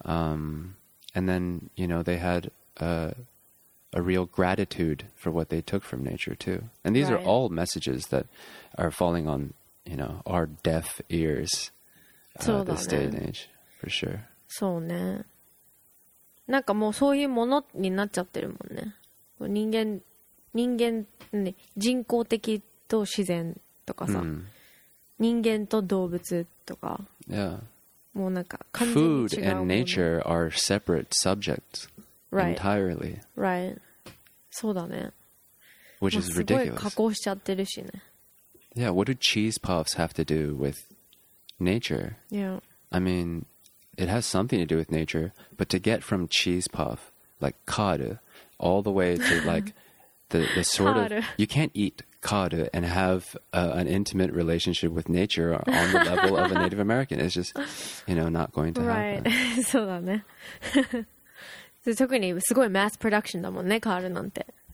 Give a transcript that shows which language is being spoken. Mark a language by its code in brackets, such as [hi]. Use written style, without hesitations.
[en] And then, you know, they had, a real gratitude for what they took from nature too. And these are all messages that are falling on, you know, our deaf ears, this day and age, for sure. [ja] そうね。なんかもうそういうものになっちゃってるもんね。人間、ね、人工的と自然とかさ、人間と動物とか。 [en] Yeah. [ja] もうなんか完全に違うもの。 [en] Food and nature are separate subjects entirely. Right. [ja] そうだね。 [en] Which is ridiculous. [ja] すごい加工しちゃってるしね。 [en] Yeah, what do cheese puffs have to do with nature? Yeah. I mean, it has something to do with nature, but to get from cheese puff, like curd, all the way to like the sort of... You can't eat curd and have an intimate relationship with nature on the level of a Native American. It's just, you know, not going to happen. Right. [ja] そうだね。で、特にすごいマスプロダクションだもんね、カールなんて。